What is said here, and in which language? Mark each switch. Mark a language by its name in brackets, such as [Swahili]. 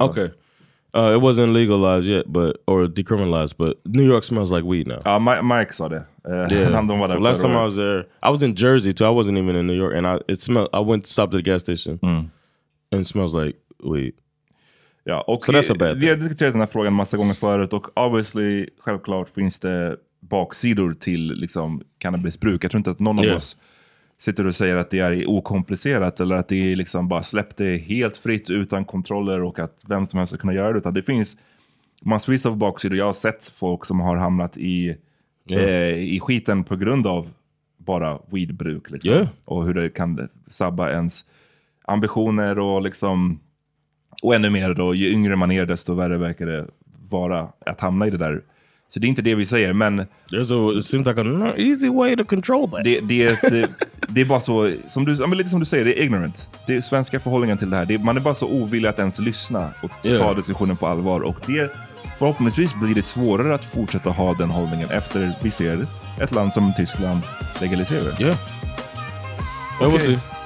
[English] Okay. It wasn't legalized yet, or decriminalized, but New York smells like weed now. Mike saw that. Yeah. Last time I was there, I was in Jersey too. I wasn't even in New York, and I went to stop at the gas station, and it smells like weed. Yeah, okay. So that's a bad thing. [Swedish] Vi har diskuterat den här frågan massa gånger förut, och obviously, självklart finns det baksidor till liksom cannabisbruk. Jag tror inte att någon av oss sitter och säger att det är okomplicerat eller att det är liksom bara släppt det helt fritt utan kontroller och att vem som helst ska kunna göra det, utan det finns massvis av baksidor. Jag har sett folk som har hamnat i skiten på grund av bara weedbruk liksom. [English] Yeah. [Swedish] Och hur det kan sabba ens ambitioner och liksom, och ännu mer då, ju yngre man är desto värre verkar det vara att hamna i det där. Så det är inte det vi säger, men... [English] It seems like an easy way to control that. [Swedish] Det är bara så... Som du, lite som du säger, det är ignorant. Det är svenska förhållningen till det här. Man är bara så ovillig att ens lyssna och ta diskussionen på allvar. Och det, förhoppningsvis blir det svårare att fortsätta ha den hållningen efter vi ser ett land som Tyskland legaliserar. [English] Ja. Yeah. Okay.